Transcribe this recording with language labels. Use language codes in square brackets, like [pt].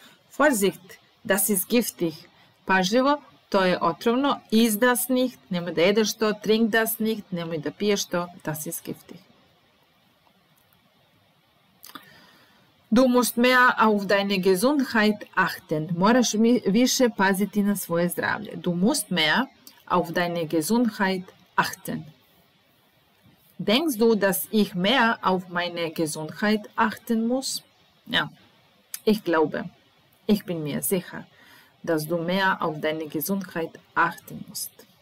[de] Vorsicht, das ist giftig. Pažljivo, to je otrovno. Iss das nicht, nemoj da jedeš to, trink das nicht, nemoj da piješ to. Das ist giftig. Du musst mehr auf deine Gesundheit achten. [sr] Moraš više paziti na svoje zdravlje. [de] Du musst mehr auf deine Gesundheit achten. Denkst du, dass ich mehr auf meine Gesundheit achten muss? Ja, ich glaube, ich bin mir sicher, dass du mehr auf deine Gesundheit achten musst.